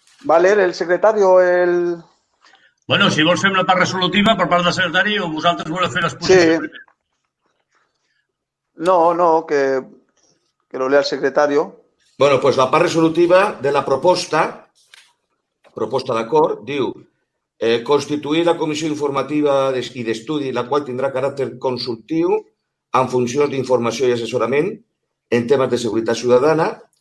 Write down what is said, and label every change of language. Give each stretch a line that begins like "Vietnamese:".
Spanish: ¿Va a leer el secretario el...?
Catalan: Bueno, si vols fer la part resolutiva per part del secretari o vosaltres voleu fer l'exposició Sí. primer.
Spanish: No, no, que lo lea el secretario.
Catalan: Bueno, pues la part resolutiva de la proposta d'acord, diu constituir la comissió informativa i d'estudi, la qual tindrà caràcter consultiu en funcions d'informació i assessorament en temes de seguretat ciutadana.